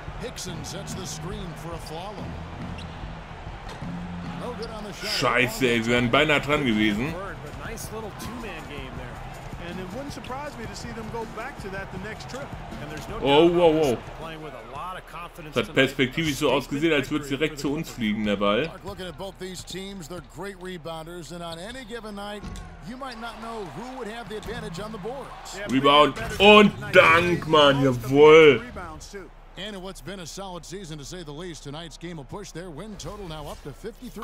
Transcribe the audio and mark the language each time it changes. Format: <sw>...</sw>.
<en>Hickson sets the screen for a follow. No good on the shot.</en> <de>Scheiße, sie wären beinahe dran gewesen.</de> <en>Nice little two-man game there. And it wouldn't surprise me to see them go back to that the next trip. And there's no playing with a lot of confidence.</en> <de>Das hat perspektivisch so ausgesehen, als würde es direkt zu uns fliegen, der Ball.</de> <en>Looking at both these teams, they're great rebounders, and on any given night, you might not know who would have the advantage on the boards.</en> <de>Rebound und Dank, Mann, jawohl.</de> <en>And in what's been a solid season to say the least, tonight's game will push their win total now up to 53.</en>